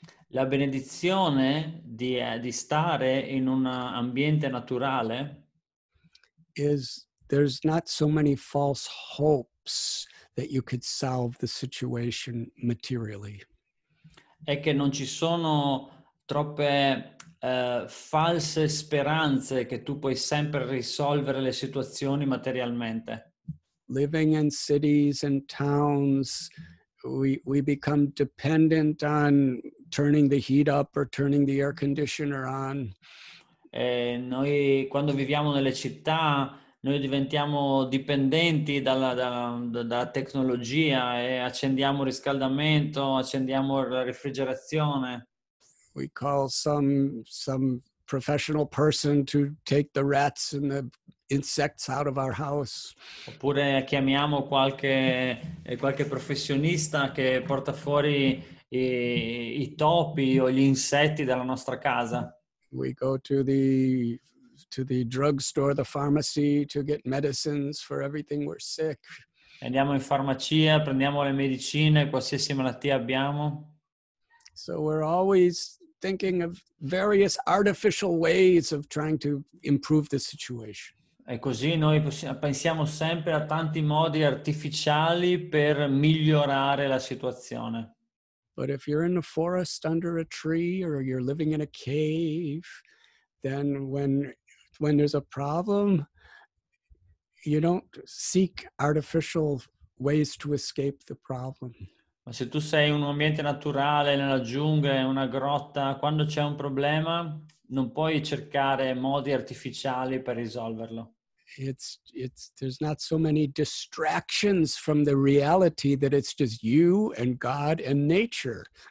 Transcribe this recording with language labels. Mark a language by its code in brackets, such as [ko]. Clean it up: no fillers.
[it] La benedizione di stare in un ambiente naturale. [en] Is there's not so many false hopes that you could solve the situation materially. [it] È che non ci sono troppe false speranze che tu puoi sempre risolvere le situazioni materialmente. [en] Living in cities and towns, we become dependent on turning the heat up or turning the air conditioner on. [it] E noi quando viviamo nelle città, noi diventiamo dipendenti dalla tecnologia e accendiamo il riscaldamento, accendiamo la refrigerazione. [en] We call some professional person to take the rats and the insects out of our house. [it] Oppure chiamiamo qualche professionista che porta fuori i topi o gli insetti dalla nostra casa. [en] We go to the drugstore, the pharmacy, to get medicines for everything we're sick. [it] Andiamo in farmacia, prendiamo le medicine, qualsiasi malattia abbiamo. [en] So we're always thinking of various artificial ways of trying to improve the situation. [it] E così noi pensiamo sempre a tanti modi artificiali per migliorare la situazione. [en] But if you're in a forest under a tree or you're living in a cave, then when there's a problem, you don't seek artificial ways to escape the problem. [it] Ma se tu sei in un ambiente naturale, nella giungla, in una grotta, quando c'è un problema, non puoi cercare modi artificiali per risolverlo. [en] It's there's not so many distractions from the reality that it's just you and God and nature.